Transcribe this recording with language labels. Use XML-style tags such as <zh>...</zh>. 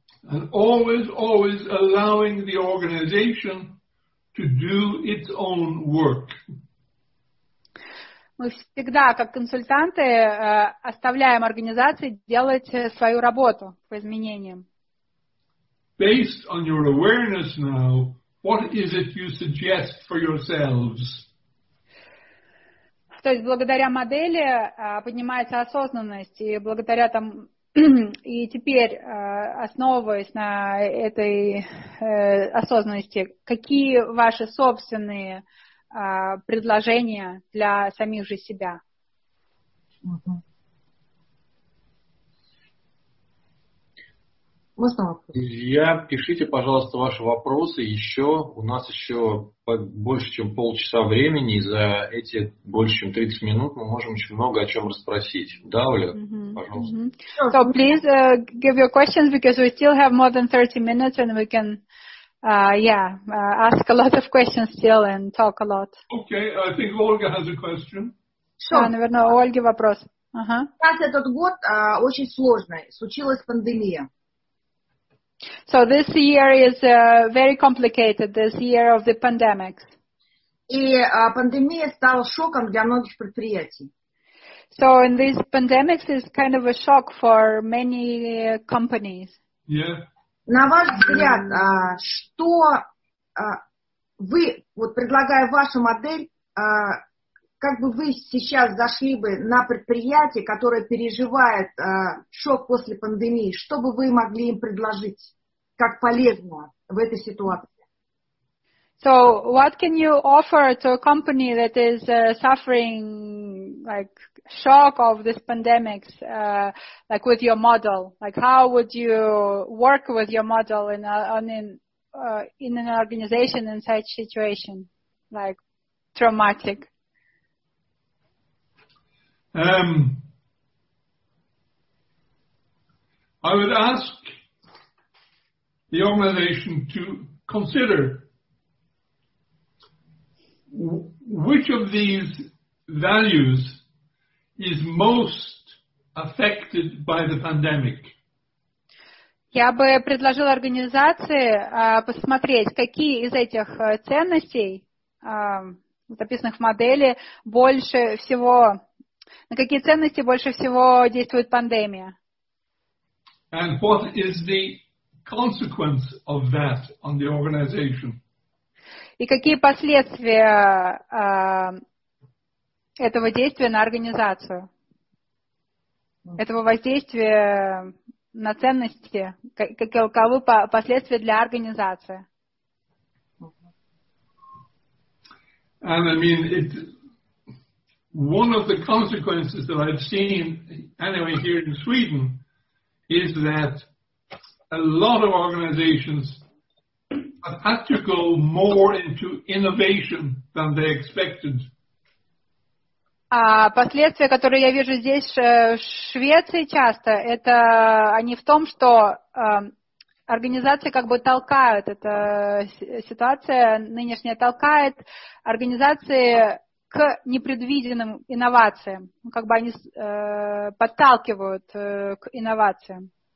<en>And always, always allowing the organization to do its own work.</en> <ru>Мы всегда, как консультанты, оставляем организации делать свою работу по изменениям.</ru> <en>Based on your awareness now, what is it you suggest for yourselves?</en> <ru>То есть благодаря модели поднимается осознанность, и благодаря там и теперь, основываясь на этой осознанности, какие ваши собственные предложения для самих же себя. Можно вопрос? Друзья, пишите, пожалуйста, ваши вопросы еще. У нас еще больше, чем полчаса времени, и за эти больше, чем 30 минут мы можем очень много о чем расспросить. Да, Оля? Пожалуйста.</ru> <en>So, please give your questions, because we still have more than 30 minutes, and we can... ask a lot of questions still and talk a lot. Okay, I think Olga has a question. Sure.</en> <ru>Да, наверное, у Ольги вопрос. Сейчас этот год очень сложный. Случилась пандемия.</ru> <en>So this year is very complicated, this year of the pandemic.</en> <ru>И пандемия стала шоком для многих предприятий.</ru> <en>So in this pandemic is kind of a shock for many companies. Yeah.</en> <ru>На ваш взгляд, что вы, вот предлагая вашу модель, как бы вы сейчас зашли бы на предприятие, которое переживает шок после пандемии, что бы вы могли им предложить как полезного в этой ситуации?</ru> <en>So, what can you offer to a company that is suffering like shock of this pandemic, like with your model, like how would you work with your model in an organization in such situation, like traumatic? I would ask the organization to consider which of these values is most affected by the pandemic.</en> <ru>Я бы предложил организации посмотреть, какие из этих ценностей, записанных в модели, больше всего, на какие ценности больше всего действует пандемия.</ru> <en>And what is the consequence of that on the organization?</en> <ru>И какие последствия этого действия на организацию, этого воздействия на ценности, каковы последствия для организации?</ru> <en>And I mean, it, one of the consequences that I've seen anyway here in Sweden is that a lot of organizations have had to go more into innovation than they expected.</en> <ru>Последствия, которые я вижу здесь, в Швеции часто, это они в том, что организации как бы толкают, эта ситуация нынешняя толкает организации к непредвиденным инновациям, как бы они подталкивают к инновациям.</ru>